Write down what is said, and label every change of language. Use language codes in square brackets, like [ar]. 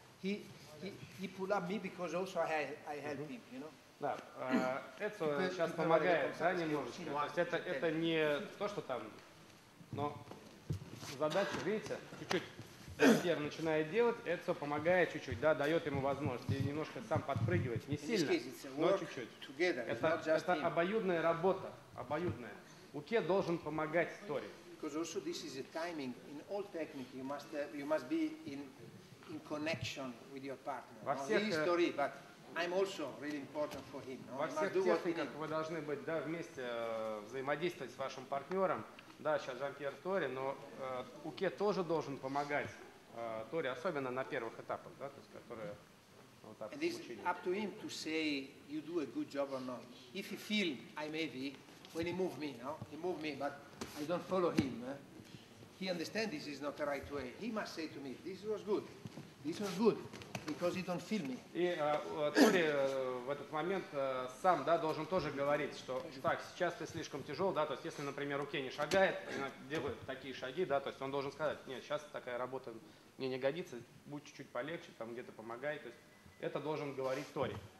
[en] He pull up me because also I help him, you know? [ru] Да, это сейчас помогает, да, немножечко. То есть это не то, что там, но задача, видите, чуть-чуть начинает делать, это помогает чуть-чуть, да, дает ему возможность немножко сам подпрыгивать, не сильно, но чуть-чуть. [en] Together, [ru] это обоюдная работа, обоюдная. УК должен помогать Тори. [en] Because also this is a timing. In all technique, you must be in connection with your partner. [ru] Во всех истории, [en] but I'm also really important for him. [ru] Во всех техниках вы должны быть, да, вместе взаимодействовать с вашим партнером. Да, сейчас Жан-Пьер Тори, но УК тоже должен помогать Тори, особенно на первых этапах, да, то есть которые вот так. [en] And it's up to him to say you do a good job or not. If he feel I may be. When he moved me, no? He moved me, but I don't follow him. He understands this is not the right way. He must say to me, this was good, because he don't feel me. [ru] И Тори в этот момент сам, да, должен тоже говорить, что так, сейчас ты слишком тяжел, да, то есть если, например, руке не шагает, делает такие шаги, да, то есть он должен сказать, нет, сейчас такая работа мне не годится, будь чуть-чуть полегче, там где-то помогай, то есть это должен говорить Тори.